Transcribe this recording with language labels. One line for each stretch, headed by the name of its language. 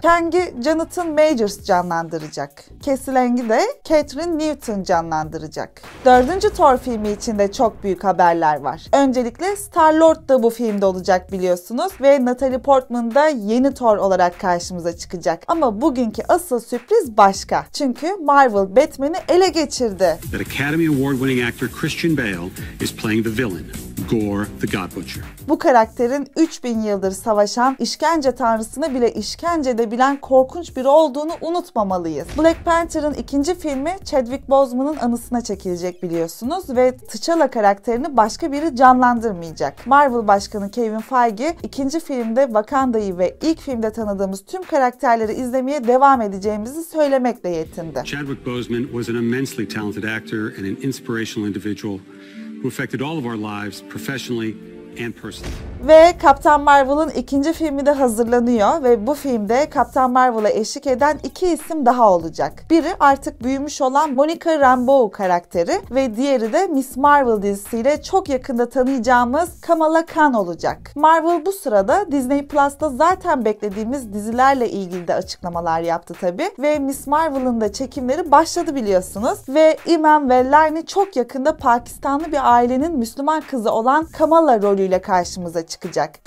Turkish: Kang'i Jonathan Majors canlandıracak. Cassie Lang'i de Catherine Newton canlandıracak. 4. Thor filmi için de çok büyük haberler var. Öncelikle Star-Lord da bu filmde olacak biliyorsunuz ve Natalie Portman da yeni Thor olarak karşımıza çıkacak. Ama bugünkü asıl sürpriz başka. Çünkü Marvel Batman'i ele geçirdi.
English: Academy Award winning actor Christian Bale is playing the villain. Gore, the God Butcher.
Turkish: Bu karakterin 3000 yıldır savaşan, işkence tanrısını bile işkence edebilen korkunç biri olduğunu unutmamalıyız. Black Panther'ın 2. filmi Chadwick Boseman'ın anısına çekilecek biliyorsunuz ve T'Challa karakterini başka biri canlandırmayacak. Marvel Başkanı Kevin Feige 2. filmde Wakanda'yı ve ilk filmde tanıdığımız tüm karakterleri izlemeye devam edeceğimizi söylemekle yetindi.
English: Chadwick Boseman was an immensely talented actor and an inspirational individual who affected all of our lives professionally and personally.
Turkish: Ve Captain Marvel'ın 2. filmi de hazırlanıyor ve bu filmde Captain Marvel'a eşlik eden iki isim daha olacak. Biri artık büyümüş olan Monica Rambeau karakteri ve diğeri de Miss Marvel dizisiyle çok yakında tanıyacağımız Kamala Khan olacak. Marvel bu sırada Disney Plus'ta zaten beklediğimiz dizilerle ilgili de açıklamalar yaptı tabii ve Miss Marvel'ın da çekimleri başladı biliyorsunuz ve Iman Vellani çok yakında Pakistanlı bir ailenin Müslüman kızı olan Kamala rolüyle karşımıza çıkacak.